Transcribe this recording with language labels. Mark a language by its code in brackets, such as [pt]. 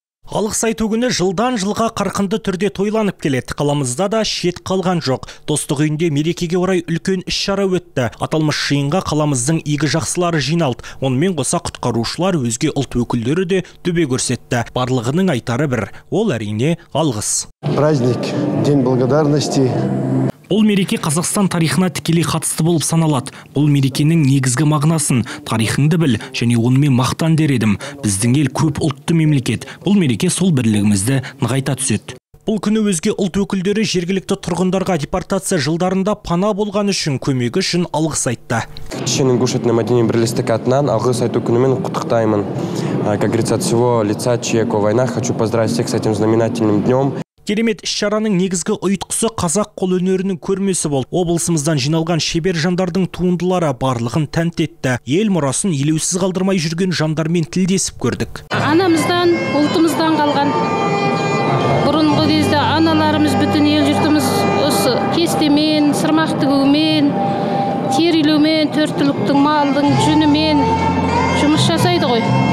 [kk] Алғыс айту күні жылдан жылға қарқынды түрде тойланып келеді. Қаламызда да шет қалған жоқ. Достық үйінде мерекеге орай үлкен іс-шара өтті. Аталмыш жиынға қаламыздың игі жақсылары жиналды. Онымен қоса құтқарушылар өзге ұлт өкілдері де төбе көрсетті. Барлығының айтары бір. Ол әрине алғыс. [ru] Праздник, день благодарности. [kk] Бұл мереке Қазақстан тарихына тікелей қатысты болып саналады. Бұл мерекенің негізгі мағынасын, тарихыңды біл және онымен мақтан дер едім. Біздің ел көп ұлтты мемлекет. Бұл мереке сол бірлігімізді нығайта түседі. Бұл күні өзге ұлт өкілдері жергілікті тұрғындарға депортация жылдарында пана болған үшін, көмегі үшін алғыс айтты. Кешенің көрсеткен мәдени бірлестік атынан алғыс айту күнімен құттықтаймын. [ru] Как говорится, от всего лица Чайковой войны хочу поздравить всех с этим знаменательным днем. [kk] Керемет іс-шараның негізгі ұйытқысы қазақ қол өнерінің көрмесі болды. Облысымыздан жиналған шебер жандардың туындылары барлығын тәнтетті. Ел мұрасын елеусіз қалдырмай жүрген жандармен тілдесіп көрдік. Анамыздан, ұлтымыздан қалған. Бұрынғы кезде аналарымыз бүтін ел жұртымыз осы кестемен, сырмақ тігумен, терілумен, төрт түліктің малдың жүнімен жұмыс жасайды ғой.